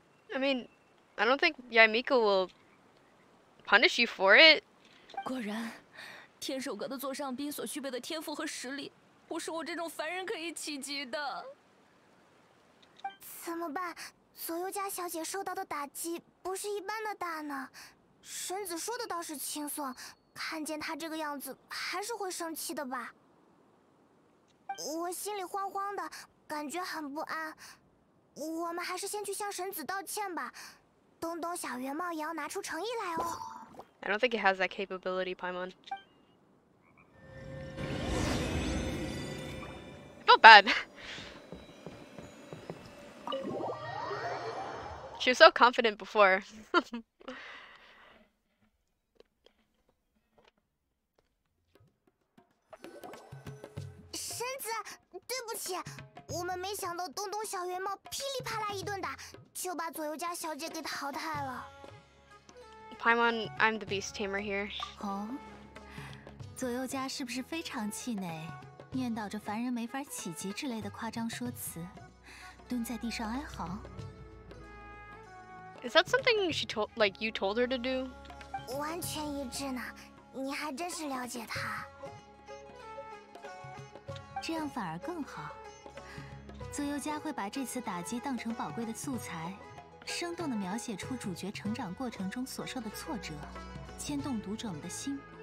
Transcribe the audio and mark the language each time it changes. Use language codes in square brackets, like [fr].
[en] I mean, I don't think Yaimiko will punish you for it. [zh] 果然，天守阁的座上宾所具备的天赋和实力，不是我这种凡人可以企及的。怎么办？左右家小姐受到的打击不是一般的大呢。神子说的倒是轻松，看见她这个样子，还是会生气的吧？我心里慌慌的，感觉很不安。我们还是先去向神子道歉吧，东东小圆帽也要拿出诚意来哦。 [en] I don't think it has that capability, Paimon. I felt bad. She was so confident before. [zh] Shenzi, 对不起。我们没想到东东小圆帽噼里啪啦一顿打，就把左右家小姐给淘汰了。 [en] Paimon, I'm the beast tamer here. [zh] 哦，左右家是不是非常气馁？念叨着凡人没法企及之类的夸张说辞，蹲在地上哀嚎。 [en] Is that something she told, like you told her to do? [zh] 完全一致呢，你还真是了解她。这样反而更好。左右家会把这次打击当成宝贵的素材，生动地描写出主角成长过程中所受的挫折，牵动读者们的心。